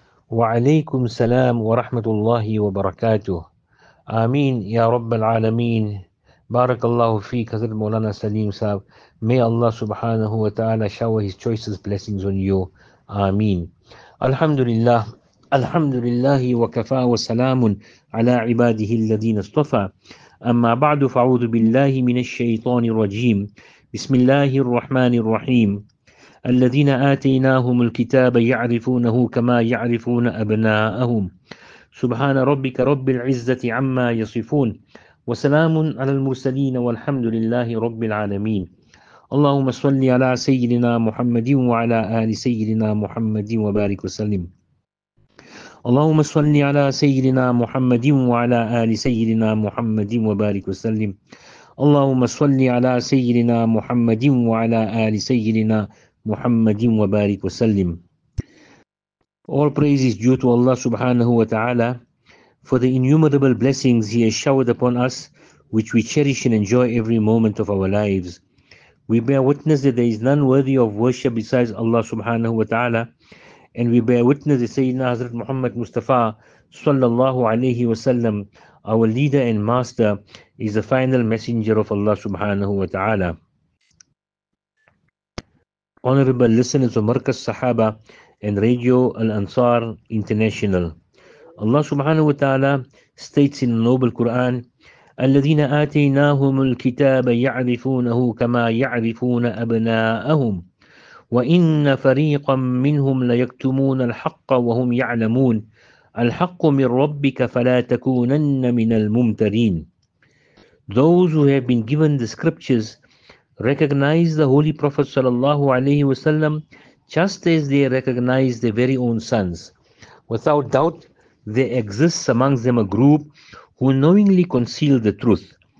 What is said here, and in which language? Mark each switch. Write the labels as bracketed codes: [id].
[ar] وعليكم السلام ورحمة الله وبركاته. آمين يا رب العالمين. بارك الله فيك حضرت مولانا سليم صاحب. [en] May Allah سبحانه وتعالى shower his choicest blessings on you. [ar] آمين. الحمد لله الحمد لله وكفى وسلام على عباده الذين اصطفى. أما بعد، فأعوذ بالله من الشيطان الرجيم. بسم الله الرحمن الرحيم. الذين آتيناهم الكتاب يعرفونه كما يعرفون أبناءهم. سبحان ربك رب العزة عما يصفون، وسلام على المرسلين، والحمد لله رب العالمين. اللهم صل على سيدنا محمد وعلى آل سيدنا محمد وبارك وسلم. اللهم صل على سيدنا محمد وعلى آل سيدنا محمد وبارك وسلم. اللهم صل على سيدنا محمد وعلى آل سيدنا محمد وبارك وسلم. [en] All praise is due to Allah subhanahu wa ta'ala for the innumerable blessings He has showered upon us, which we cherish and enjoy every moment of our lives. We bear witness that there is none worthy of worship besides Allah subhanahu wa ta'ala, and we bear witness that Sayyidina Hazrat Muhammad Mustafa sallallahu alayhi wa sallam, our leader and master, is the final messenger of Allah subhanahu wa ta'ala. Honorable listeners of Markaz Sahaba and Radio Al-Ansar International, Allah subhanahu wa ta'ala states in the Noble Quran, [ar] الَّذِينَ آتَيْنَاهُمُ الْكِتَابَ يَعْرِفُونَهُ كَمَا يَعْرِفُونَ أَبْنَاءَهُمْ وَإِنَّ فَرِيقًا مِّنْهُمْ لَيَكْتُمُونَ الْحَقَّ وَهُمْ يَعْلَمُونَ الْحَقُّ مِنْ رَبِّكَ فَلَا تَكُونَنَّ مِنَ الْمُمْتَرِينَ. [en] Those who have been given the scriptures recognize the Holy Prophet sallallahu alayhi wa sallam just as they recognize their very own sons. Without doubt, there exists amongst them a group who knowingly conceal the truth.